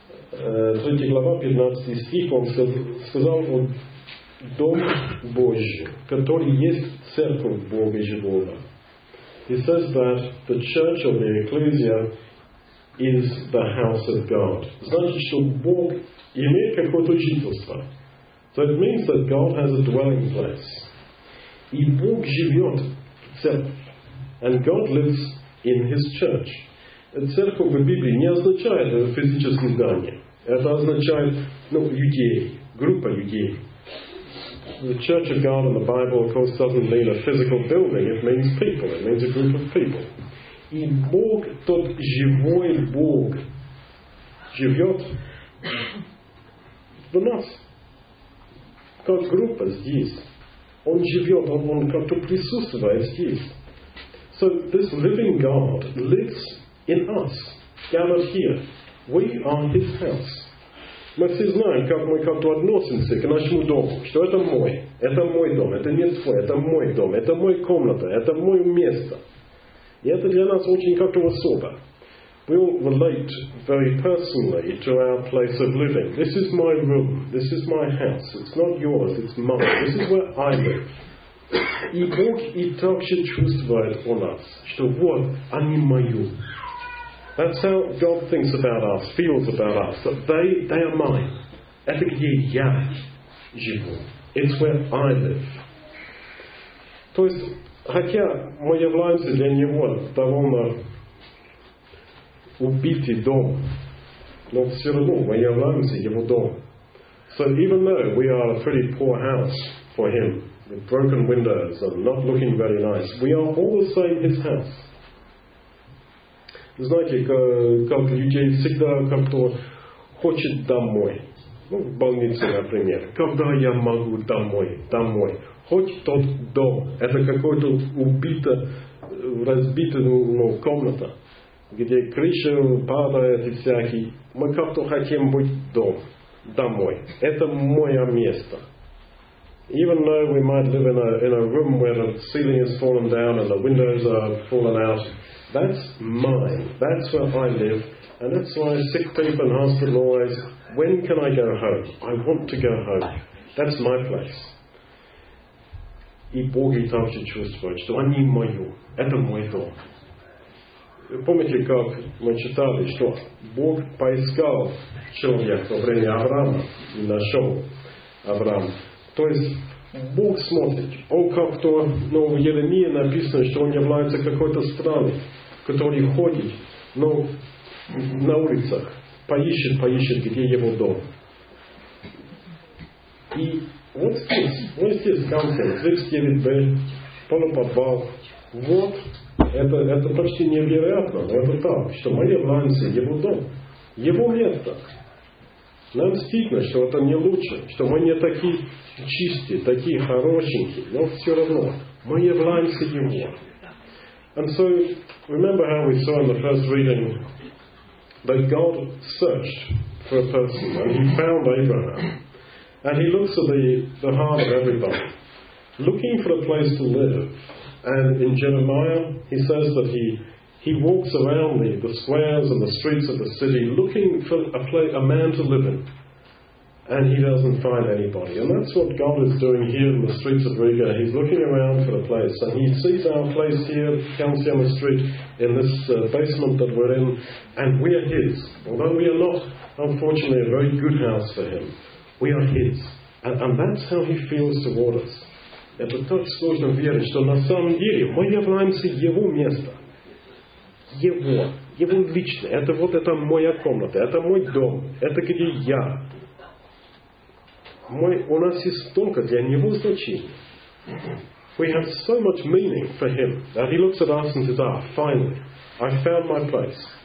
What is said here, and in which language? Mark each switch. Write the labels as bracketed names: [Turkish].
[Russian] Третья глава, 15 стих, он сказал, вот, Дом Божий, который есть церковь Бога Живого. [English] He says that the church or the ecclesia is the house of God. [Russian] Значит, что Бог имеет какое-то жительство. [English] So it means that God has a dwelling place. [Russian] И Бог живет в церкви. [English] And God lives in his church. [Russian] Церковь в Библии не означает физическое здание. Это означает, ну, людей, группа людей. [English] The Church of God in the Bible, of course, doesn't mean a physical building. It means people. It means a group of people. [Russian] И Бог, тот живой Бог, живет в нас. Как группа здесь. Он живет, он как-то присутствует здесь. [English] So this living God lives in us, gathered here. We are his house. [Russian] Мы все знаем, как мы как-то относимся к нашему дому, что это мой дом, это не свой, это мой дом, это моя комната, это мое место. И это для нас очень как-то особо. [English] We all relate very personally to our place of living. This is my room, this is my house, it's not yours, it's mine, this is where I live. [Russian] И Бог и так же чувствует о нас, что вот, они мои. [English] That's how God thinks about us, feels about us, that they are mine. [Russian] Это где я живу. [English] It's where I live. [Russian] То есть, хотя мы являемся для него довольно убитый дом, но все равно мы являемся его дом. [English] So even though we are a pretty poor house for him, the broken windows are not looking very nice. We are all the same his house. [Russian] Знаете, как людей всегда как-то хочет домой. Ну, в больнице, например. Когда я могу домой? Домой. Хоть тот дом. Это какой-то убитый, разбитый, ну, комната, где крыша падает и всякий. Мы как-то хотим быть дом. Домой. Это мое место. [English] Even though we might live in a room where the ceiling has fallen down and the windows are fallen out, that's mine. That's where I live. And that's why sick people and hospital always, when can I go home? I want to go home. That's my place. [Russian] И Боги также чувствуют, что они мою. Это мой дом. Помните, как мы читали, что Бог поискал человека во время Авраама и нашел Авраама. То есть Бог смотрит. Он как-то, ну, в Еремии написано, что он является какой-то страной, который ходит, ну, на улицах, поищет, где его дом. И вот здесь Гамсен, 39b, полуподвал. Вот, это почти невероятно, но это так, что мы являемся его дом, его место. Нам стыдно, что это не лучше, что мы не такие чистые, такие хорошенькие, но все равно, мы являемся его. [English] And so, remember how we saw in the first reading that God searched for a person and he found Abraham. And he looks at the heart of everybody, looking for a place to live. And in Jeremiah, he says that he walks around the squares and the streets of the city looking for a man to live in. And he doesn't find anybody. And that's what God is doing here in the streets of Riga. He's looking around for a place. And he sees our place here, Kelsiama Street, in this basement that we're in. And we are his. Although we are not, unfortunately, a very good house for him. We are his. And that's how he feels toward us. [Russian] Это так сложно верить, что на самом деле мы являемся его местом. Его лично. Это вот это моя комната. Это мой дом. Это где я. У нас есть столько для него значения. [English] We have so much meaning for him that he looks at us and says, ah, finally, I found my place.